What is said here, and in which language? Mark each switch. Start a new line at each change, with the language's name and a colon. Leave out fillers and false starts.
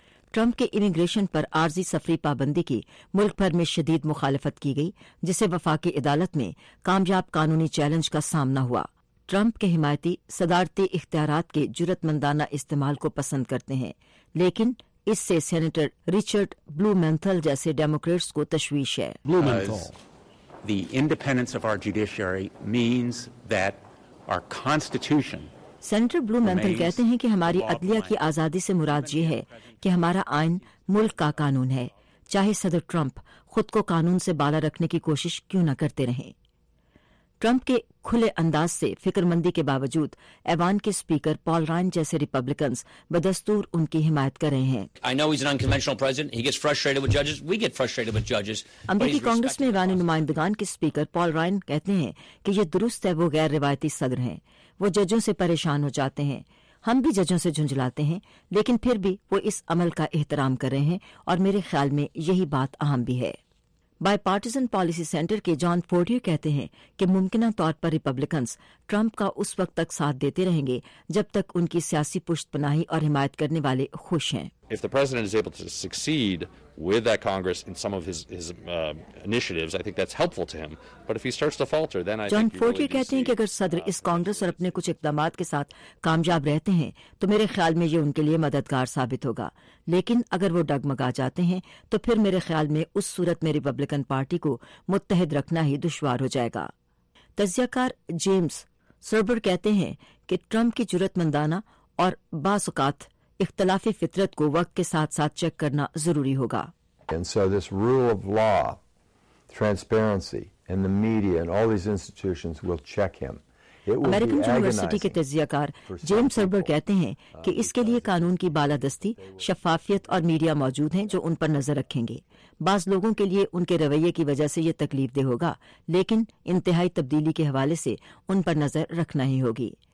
Urdu: Trump کے immigration پر عارضی سفری پابندی کی ملک بھر میں شدید مخالفت کی گئی, جسے وفاقی عدالت میں کامیاب قانونی چیلنج کا سامنا ہوا. ٹرمپ کے حمایتی صدارتی اختیارات کے جرت مندانہ استعمال کو پسند کرتے ہیں, لیکن اس سے سینیٹر ریچرڈ بلو مینتھل جیسے ڈیموکریٹس کو تشویش ہے.
English: The independence of our judiciary means that our constitution.
Urdu: Senator بلو مینتھل کہتے ہیں کہ ہماری عدلیہ کی آزادی سے مراد یہ ہے کہ ہمارا آئین ملک کا قانون ہے, چاہے صدر ٹرمپ خود کو قانون سے بالا رکھنے کی کوشش کیوں نہ کرتے رہیں. ٹرمپ کے کھلے انداز سے فکر مندی کے باوجود ایوان کے سپیکر پال رائن جیسے ریپبلکنز بدستور ان کی حمایت کر رہے ہیں. امریکی کانگریس میں ایوان نمائندگان کے سپیکر پال رائن کہتے ہیں کہ یہ درست ہے, وہ غیر روایتی صدر ہیں, وہ ججوں سے پریشان ہو جاتے ہیں, ہم بھی ججوں سے جھنجھلاتے ہیں, لیکن پھر بھی وہ اس عمل کا احترام کر رہے ہیں اور میرے خیال میں یہی بات اہم بھی ہے. بائی پارٹیزن پالیسی سینٹر کے جان فورٹیو کہتے ہیں کہ ممکنہ طور پر ریپبلکنز ٹرمپ کا اس وقت تک ساتھ دیتے رہیں گے جب تک ان کی سیاسی پشت پناہی اور حمایت کرنے والے خوش ہیں.
English: If the president is able to succeed with that Congress in some of his initiatives, I think that's helpful to him. But if he starts to falter, then I
Urdu: John Fortier really کہتے ہیں کہ اگر صدر اس کانگریس اور اپنے کچھ اقدامات کے ساتھ کامیاب رہتے ہیں تو میرے خیال میں یہ ان کے لیے مددگار ثابت ہوگا, لیکن اگر وہ ڈگمگا جاتے ہیں تو پھر میرے خیال میں اس صورت میں ریپبلکن پارٹی کو متحد رکھنا ہی دشوار ہو جائے گا. تجزیہ کار جیمز سربر کہتے ہیں کہ ٹرمپ کی جرت مندانہ اور بعض اوقات اختلافی فطرت کو وقت کے ساتھ ساتھ چیک کرنا ضروری ہوگا.
English: And so this rule of law, transparency, and the media and all these institutions will check him.
Urdu: American university کے تجزیہ کار جیم سربر کہتے ہیں کہ اس کے لیے قانون کی بالادستی, شفافیت اور میڈیا موجود ہیں جو ان پر نظر رکھیں گے. بعض لوگوں کے لیے ان کے رویے کی وجہ سے یہ تکلیف دہ ہوگا, لیکن انتہائی تبدیلی کے حوالے سے ان پر نظر رکھنا ہی ہوگی.